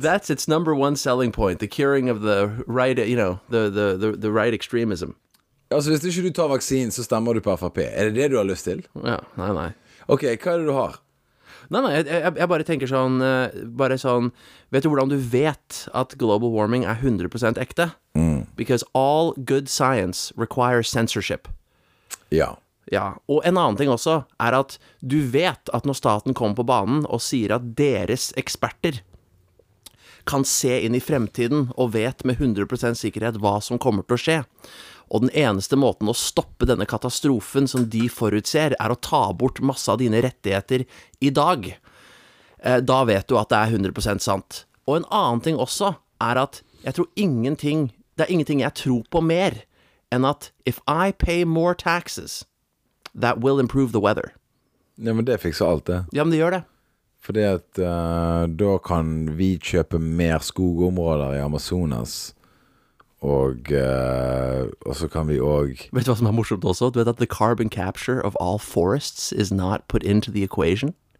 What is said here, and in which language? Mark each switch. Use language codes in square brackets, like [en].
[en] That's its number one selling point, the curing of the right, you know, the right extremism. [no] Altså, hvis du ikke tar vaksin, så stemmer du på FAP. Er det det du har lyst til? Ja, nei, nei. Ok, hva er det du har? Nei, nei, jeg bare tenker sånn, bare sånn, vet du hvordan du vet at global warming er 100% ekte? Mm. [en] Because all good science requires censorship. [no] Ja. Ja, og en annen ting også er at du vet at når staten kommer på banen og sier at deres eksperter kan se inn i fremtiden og vet med 100% sikkerhet hva som kommer til å skje, og den eneste måten å stoppe denne katastrofen som de forutser er å ta bort masse av dine rettigheter i dag, da vet du at det er 100% sant. Og en annen ting også at jeg tror ingenting, det ingenting jeg tror på mer enn at [en] if I pay more taxes, that will improve the weather. [no] Ja, men det fikser alt det. Ja, men det gjør det. Fordi at da kan vi kjøpe mer skogområder i Amazonas. Og så kan vi også... Vet du hva som morsomt også? Du vet at [en] the carbon capture of all forests is not put into the equation?